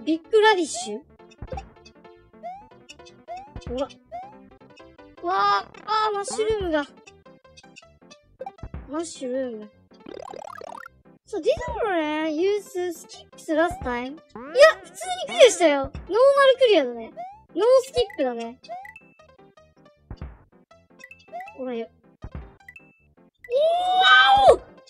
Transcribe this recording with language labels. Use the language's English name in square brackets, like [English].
[English] ビッグラディッシュ？うわ。 [Japanese] わあ、マッシュルームが。マッシュルーム。 [English] So did you learn use sticks last time? [Japanese] いや、普通にクリアしたよ。ノーマルクリアだね。ノースティックだね。おらよ。うわお！